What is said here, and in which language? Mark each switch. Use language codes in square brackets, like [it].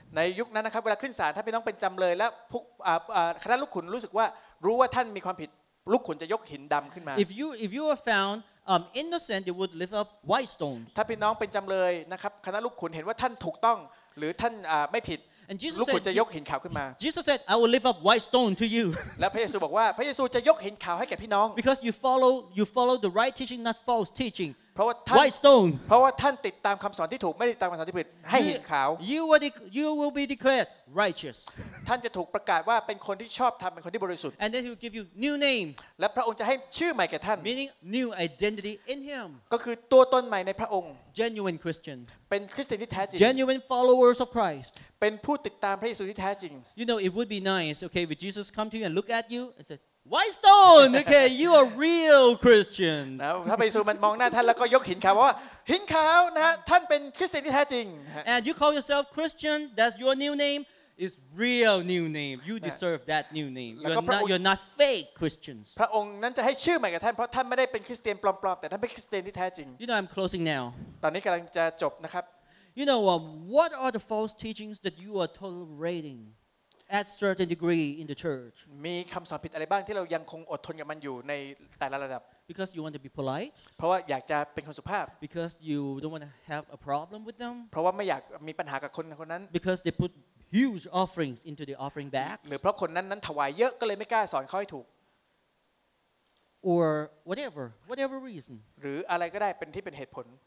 [th] ในยุคนั้นนะครับเวลาขึ้นศาลถ้าพี่น้องเป็นจำเลยแล้วพวกคณะลูกขุนรู้สึกว่ารู้ว่าท่านมีความผิดลูกขุนจะยกหินดำขึ้นมา [en] if you were found innocent they would lift up white stones [th] ถ้าพี่น้องเป็นจำเลยนะครับคณะลูกขุนเห็นว่าท่านถูกต้องหรือท่านไม่ผิดลู กขุนจะยกหินขาวขึ้นมา [en] Jesus said I will lift up white stone to you [th] และพระเยซูบอกว่าพระเยซูจะยกหินขาวให้แก่พี่น้อง [en] because you follow the right teaching not false teaching White stone. [th] เพราะว่าท่านติดตามคำสอนที่ถูกไม่ได้ติดตามคำสอนที่ผิดให้หินขาว [en] You will be declared righteous. [th] ท่านจะถูกประกาศว่าเป็นคนที่ชอบธรรมเป็นคนที่บริสุทธิ์ [en] And then he will give you new name. [th] และพระองค์จะให้ชื่อใหม่แก่ท่าน [en] Meaning new identity in him. [th] ก็คือตัวตนใหม่ในพระองค์ [en] Genuine Christian. [th] เป็นคริสเตียนที่แท้จริ ง [en] Genuine followers of Christ. [th] เป็นผู้ติดตามพระเยซูที่แท้จริง [en] You know it would be nice, okay, if Jesus come to you and look at you and said. White stone, okay. You are real Christian. [th] Now, ถ้าพระเยซูมันมองหน้าท่านแล้วก็ยกหินขาวว่าหินขาวนะท่านเป็นคริสเตียนที่แท้จริง [en] And you call yourself Christian. That's your new name. It's real new name. You deserve that new name. You're not fake Christians. [th] พระองค์นั้นจะให้ชื่อใหม่กับท่านเพราะท่านไม่ได้เป็นคริสเตียนปลอมๆแต่ท่านเป็นคริสเตียนที่แท้จริง [en] You know, I'm closing now. [th] ตอนนี้กำลังจะจบนะครับ [en] You know, what are the false teachings that you are tolerating? At certain degree in the church. [th] มีคำสอนผิดอะไรบ้างที่เรายังคงอดทนกับมันอยู่ในแต่ละระดับ [en] Because you want to be polite. [th] เพราะว่าอยากจะเป็นคนสุภาพ [en] Because you don't want to have a problem with them. [th] เพราะว่าไม่อยากมีปัญหากับคนนั้น [en] Because they put huge offerings into the offering bags. [th] หรือเพราะคนนั้นถวายเยอะก็เลยไม่กล้าสอนเขาให้ถูก [en] Or whatever reason. [th] หรืออะไรก็ได้เป็นที่เป็นเหตุผล